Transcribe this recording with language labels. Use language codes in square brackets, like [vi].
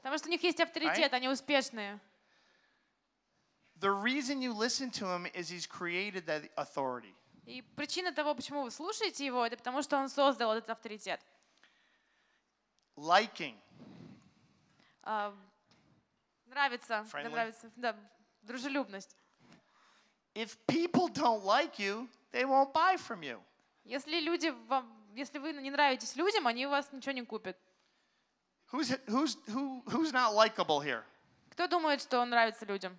[ru] Потому что у них есть авторитет, они успешные. [en] The reason you listen to him is he's created that authority. [ru] И причина того, почему вы слушаете его, это потому что он создал этот авторитет. [en] Liking. [ru] Нравится. Friendly. Нравится. Да, дружелюбность. [en] If people don't like you, they won't buy from you. [ru] Если люди вам, если вы не нравитесь людям, они у вас ничего не купят. [en] Who's not likable here? [ru] Кто думает, что он нравится людям?